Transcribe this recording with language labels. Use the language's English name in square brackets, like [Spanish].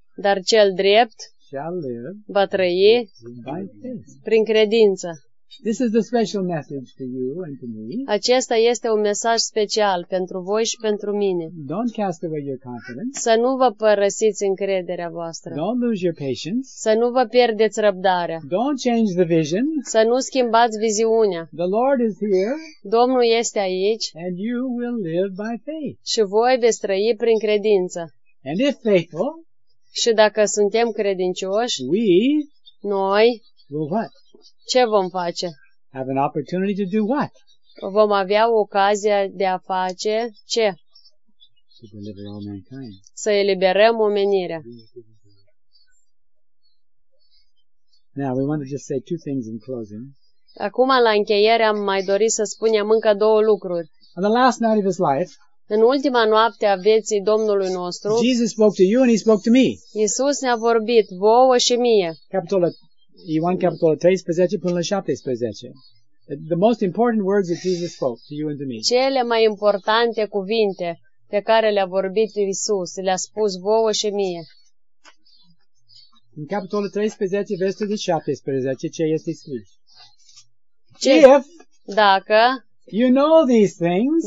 [Romanian] Dar cel drept va trăi prin credință. [English] This is the special message to you and to me. [Romanian] Acesta este un mesaj special pentru voi și pentru mine. [English] Don't cast away your confidence. [Romanian] Să nu vă părăsiți încrederea voastră. [English] Don't lose your patience. [Romanian] Să nu vă pierdeți răbdarea. [English] Don't change the vision. [Romanian] Să nu schimbați viziunea. [English] The Lord is here. [Romanian] Domnul este aici. [English] And you will live by faith. [Romanian] Și voi veți trăi prin credință. [English] And if faithful, [Romanian] și dacă suntem credincioși, [English] we, [Romanian] noi, [English] will what? [Romanian] Ce vom face? [English] Have an opportunity to do what? [Romanian] Vom avea ocazia de a face ce? [English] To deliver all mankind. [Romanian] Să eliberăm omenirea. [English] Now, we want to just say two things in closing. [Romanian] Acum, la încheiere, am mai dorit să spunem încă două lucruri. [English] On the last night of his life, [Romanian] în ultima noapte a vieții Domnului nostru, [English] Jesus spoke to you and he spoke to me. [Romanian] Iisus ne-a vorbit vouă și mie. Ioan capitolul 13 până la 17. [English] The most important words that Jesus spoke to you and to me. [Romanian] Cele mai importante cuvinte pe care le-a vorbit Iisus, le-a spus vouă și mie. În capitolul 13, versetul 17, ce este scris? Dacă [English] you know these things.